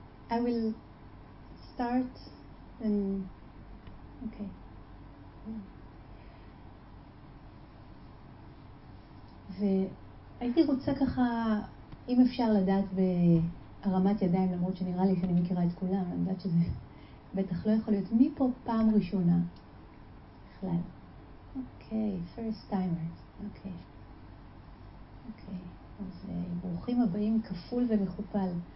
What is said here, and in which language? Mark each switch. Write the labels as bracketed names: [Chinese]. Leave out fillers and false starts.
[English] I will start and okay. [Hebrew] והייתי רוצה ככה, אם אפשר לדעת בהרמת ידיים, למרות שנראה לי שאני מכירה את כולם, אני יודעת שזה בטח לא יכול להיות. מי פה פעם ראשונה? בכלל. [English] אוקיי, first timer. אוקיי. [Hebrew] אוקיי, אז ברוכים הבאים כפול ומכופל.